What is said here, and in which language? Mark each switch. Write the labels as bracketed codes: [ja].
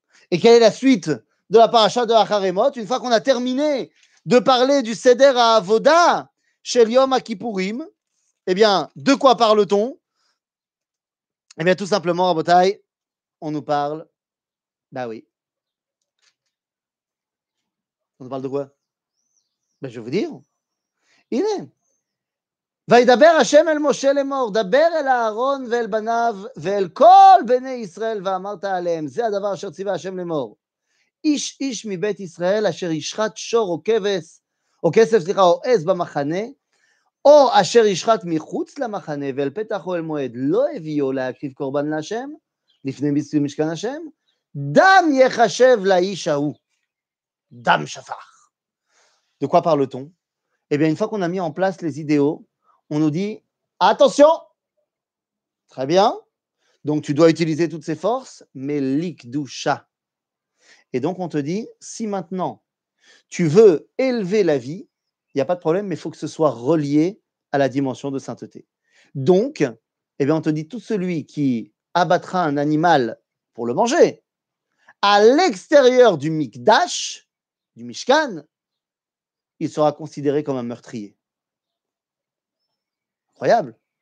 [fr] Et quelle est la suite de la paracha de Acharemot ? Une fois qu'on a terminé de parler du Seder à Avoda chez Yom HaKippurim, eh bien, de quoi parle-t-on ? Eh bien, tout simplement, Rabotai, on nous parle... Bah oui. On nous parle de quoi ? Ben, je vais vous dire. Il est. [he] וידבר השם אל משה לאמור, דבר אל אהרון ואל בניו ואל כל בני ישראל ואמרת עליהם, זה הדבר אשר ציווה השם לאמור. איש איש מבית ישראל אשר ישחט שור או כבש, או כסף סליחה, או עז במחנה, או אשר ישחט מחוץ למחנה ואל פתח או אל מועד, לא הביאו להקריב קורבן להשם, לפני ביצוע משכן השם, דם יחשב לאיש ההוא. דם שפך. [fr] De quoi parle-t-on? Eh bien, une fois qu'on a mis en place les idéaux, on nous dit « Attention !» Très bien. Donc, tu dois utiliser toutes ces forces, mais « Likdusha ». Et donc, on te dit « Si maintenant, tu veux élever la vie, il n'y a pas de problème, mais il faut que ce soit relié à la dimension de sainteté. » Donc, eh bien, on te dit « Tout celui qui abattra un animal pour le manger, à l'extérieur du Mikdash, du Mishkan, il sera considéré comme un meurtrier. » Incroyable.